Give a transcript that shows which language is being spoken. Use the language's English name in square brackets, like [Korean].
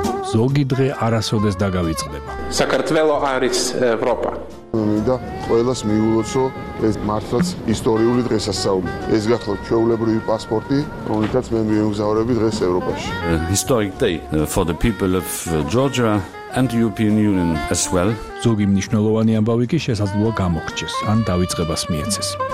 [Georgian] ზოგი დღე არასოდეს დაგავიწყდება. საქართველოს არის ევროპა. მინდა ყოველას მიულოცო ეს მართლაც ისტორიული დღესასწაული. ეს გახლავთ ჩვეულებრივი პასპორტი, რომელიც მე მიემგზავრები დღეს ევროპაში. [English] Historic day for the people of Georgia. and European Union as well. [Georgian] ზოგი მნიშვნელოვანი ამბავი კი შესაძლოა გამოგრჩეს ან დაიწყებას მიეცეს.